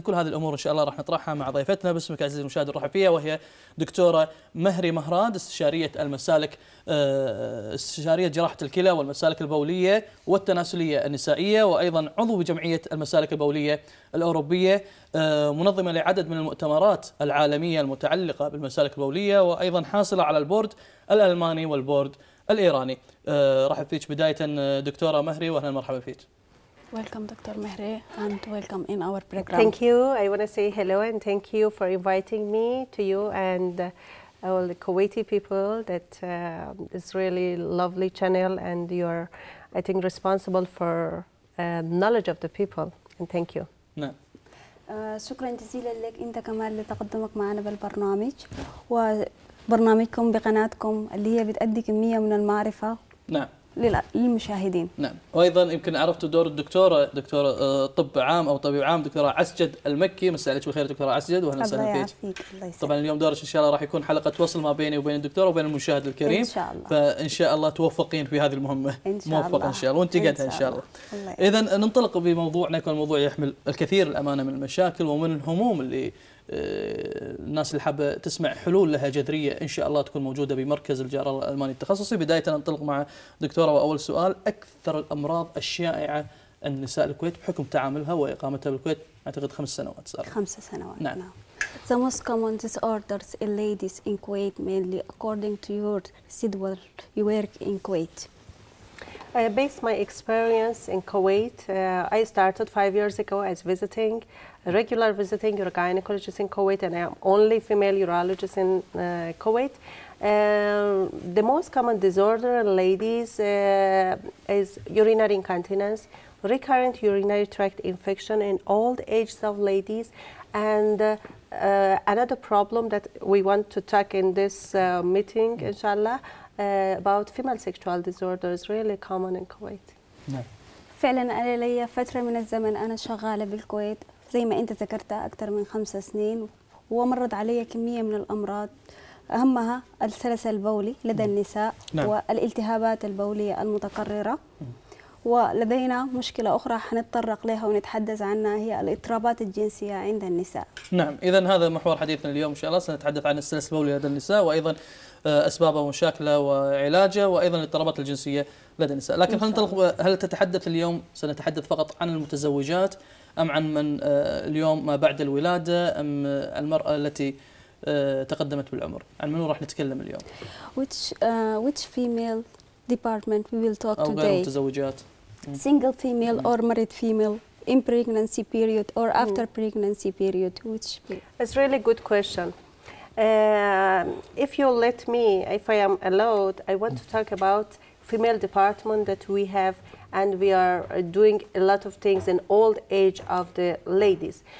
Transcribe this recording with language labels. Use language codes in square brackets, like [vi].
[ar] كل هذه الأمور إن شاء الله راح نطرحها مع ضيفتنا باسمك عزيزي المشاهد نرحب فيها، وهي دكتورة مهري مهراد، استشارية المسالك، استشارية جراحة الكلى والمسالك البولية والتناسلية النسائية، وأيضا عضو بجمعية المسالك البولية الأوروبية، منظمة لعدد من المؤتمرات العالمية المتعلقة بالمسالك البولية، وأيضا حاصلة على البورد الألماني والبورد الإيراني. رحب فيك بداية دكتورة مهري، وأهلا مرحبا فيك. [en] Welcome, Dr. Mehre, and welcome in our program. Thank you. I want to say hello and thank you for inviting me to you and all the Kuwaiti people. That is really lovely channel, and you're, I think, responsible for knowledge of the people. And thank you. [ar] شكرا جزيلا لك أنت كمان لتقدمك معنا بالبرنامج وبرنامجكم بقناتكم اللي هي بتأدي كمية من المعرفة. نعم. للمشاهدين. نعم. وأيضا يمكن عرفت دور الدكتورة، دكتورة طب عام أو طبيب عام، دكتورة عسجد المكي. مساء عليك بالخير دكتورة عسجد، وأهلا وسهلا فيك. طبعا اليوم دورك إن شاء الله راح يكون حلقة وصل ما بيني وبين الدكتورة وبين المشاهد الكريم. إن شاء الله. فإن شاء الله توفقين في هذه المهمة. إن شاء الله. موفق إن شاء الله. وأنت قدها إن شاء الله. إذا ننطلق بموضوعنا، يكون الموضوع يحمل الكثير الأمانة من المشاكل ومن الهموم اللي الناس اللي حابة تسمع حلول لها جذرية إن شاء الله تكون موجودة بمركز الجراحة الألماني التخصصي. بداية ننطلق مع دكتورة، وأول سؤال، أكثر الأمراض الشائعة عند نساء الكويت بحكم تعاملها وإقامتها بالكويت أعتقد 5 سنوات صار. 5 سنوات. نعم. [en] The most common disorders in ladies in Kuwait mainly according to your residual you work in Kuwait. Based my experience in Kuwait, I started 5 years ago as visiting, regular visiting gynecologist in Kuwait, and I am only female urologist in Kuwait. The most common disorder in ladies is urinary incontinence, recurrent urinary tract infection in old ages of ladies, and another problem that we want to talk in this meeting, inshallah, about female sexual disorders, really common in Kuwait. [ar] فعلا انا ليا فتره من الزمن انا شغاله بالكويت زي ما انت ذكرتها اكثر من 5 سنين، ومرت علي كميه من الامراض اهمها السلس البولي لدى النساء. نعم. والالتهابات البوليه المتكرره. ولدينا مشكلة أخرى حنتطرق لها ونتحدث عنها، هي الاضطرابات الجنسية عند النساء. نعم. إذا هذا محور حديثنا اليوم إن شاء الله، سنتحدث عن السلس البولي لدى النساء وأيضا أسبابه ومشاكله وعلاجه، وأيضا الاضطرابات الجنسية لدى النساء. لكن خلينا ننطلق، هل تتحدث اليوم، سنتحدث فقط عن المتزوجات أم عن من اليوم ما بعد الولادة أم المرأة التي تقدمت بالعمر؟ عن من راح نتكلم اليوم؟ [en] which female department we will talk today. [ar] غير متزوجات. [en] Single female or married female in pregnancy period or after pregnancy period. Which period? It's really good question. If you let me, if I am allowed, I want to talk about female department that we have, and we are doing a lot of things in old age of the ladies.